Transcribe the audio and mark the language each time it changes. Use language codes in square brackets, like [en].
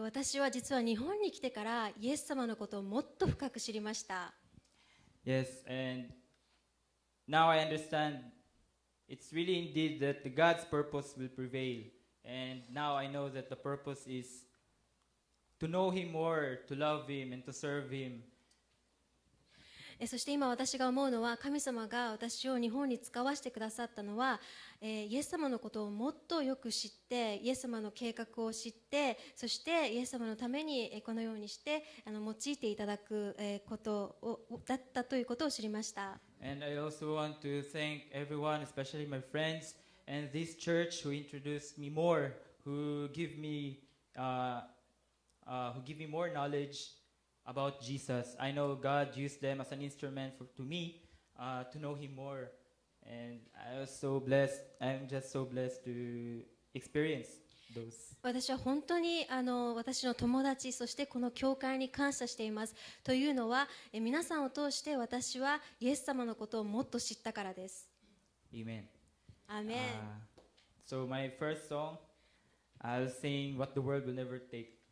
[ja] 私は実は日本に来てからイエス様のことをもっと深く知りました。 [en] Yes, and now I understand it's really indeed that God's purpose will prevail. And now I know that the purpose is to know Him more, to love Him, and to serve Him. [ja] そして今私が思うのは神様が私を日本に使わせてくださったのは、イエス様のことをもっとよく知ってイエス様の計画を知ってそしてイエス様のためにこのようにして用いていただくことをだったということを知りました。 [en] And I also want to thank everyone, especially my friends and this church who introduced me more, who give me more knowledgeAbout Jesus. I know God used them as an instrument to know Him more. And I'm just so blessed to experience those. [ja] 私は本当に私の友達、そしてこの教会に感謝しています。というのは、皆さんを通して私はイエス様のことをもっと知ったからです。 [en] Amen. Amen. So my first song, I'll sing What the World Will Never Take.